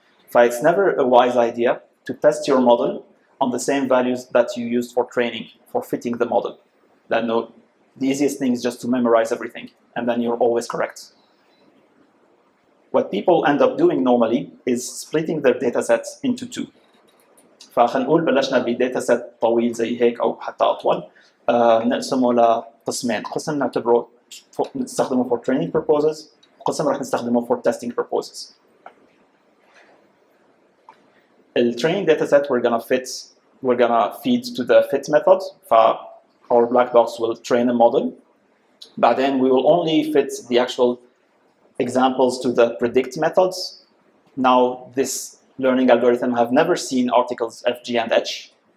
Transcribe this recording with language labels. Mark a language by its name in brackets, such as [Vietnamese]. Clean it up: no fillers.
[English] So it's never a wise idea to test your model on the same values that you used for training, for fitting the model. [Arabic] لأنه [English] the easiest thing is just to memorize everything and then you're always correct. What people end up doing normally is splitting their data sets into two. [Arabic] فخنقول بلشنا بداتا سيت طويل زي هيك او حتى اطول نقسمه لقسمين قسم نستخدمه [English] for training purposes [Arabic] قسم راح نستخدمه [English] for testing purposes. ال training data set we're gonna feed to the fit method. ف our black box will train a model but then we will only fit the actual examples to the predict methods. Now this learning algorithm have never seen articles F, G, and H.